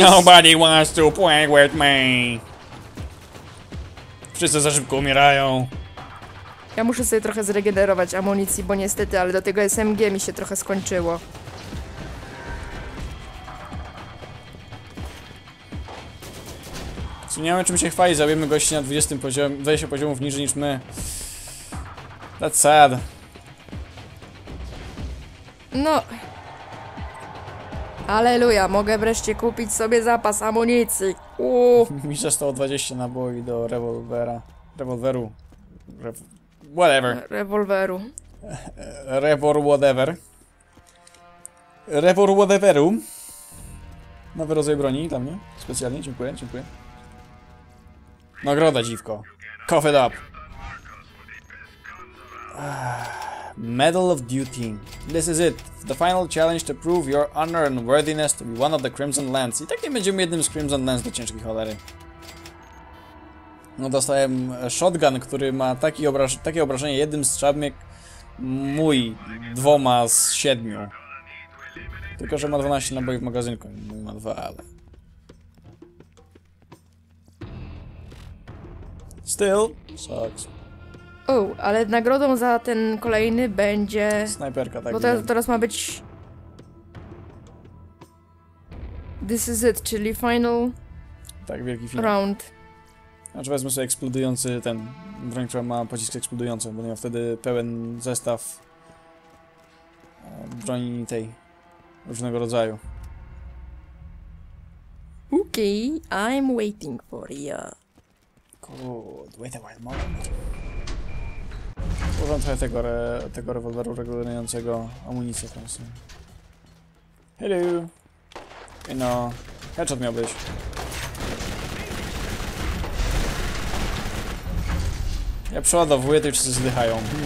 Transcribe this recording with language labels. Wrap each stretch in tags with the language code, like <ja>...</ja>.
<en>Nobody wants to play with me.</en> <pl>Wszyscy za szybko umierają. Ja muszę sobie trochę zregenerować amunicji, bo niestety, ale do tego SMG mi się trochę skończyło. Zmieniamy, czym się chwali, zabijemy gości na 20 poziomie, 20 poziomów niżej niż my.</pl> <en>That's sad.</en> <pl>No. Aleluja, mogę wreszcie kupić sobie zapas amunicji. Mi zostało 20 naboi do rewolwera. Rewolweru.</pl> <en>Whatever.</en> <pl>Rewolweru. Revor whatever. Revor whateveru. Nowy rodzaj broni dla mnie. Specjalnie, dziękuję, dziękuję. Nagroda, dziwko.</pl> <en>Cough it up. Medal of Duty. This is it. The final challenge to prove your honor and worthiness to be one of the Crimson Lands.</en> <pl>I tak nie będziemy jednym z Crimson Lands do ciężkiej cholery. No dostałem shotgun, który ma taki takie obrażenie jednym strzałem jak mój, dwoma z siedmiu. Tylko, że ma 12 naboi w magazynku, mój ma 2, ale...</pl> <en>Still, sucks.</en> <pl>O, ale nagrodą za ten kolejny będzie... Snajperka, tak. Bo teraz, teraz ma być...</pl> <en>This is it,</en> <pl>czyli</pl> <en>final...</en> <pl>Tak, wielki film.</pl> <en>...round.</en> <pl>Znaczy wezmę sobie eksplodujący ten, broń, która ma pocisk eksplodujący, bo nie ma wtedy pełen zestaw broni tej, różnego rodzaju.</pl> <en>Okej, okay, I'm waiting for you. Good, wait a while, moment.</en> <pl>Użyłem trochę tego, tego rewolweru regenerującego amunicję, tam sobie. Hello! No, headshot miał być. Ja przeładowuję, to już wszyscy zdychają.</pl>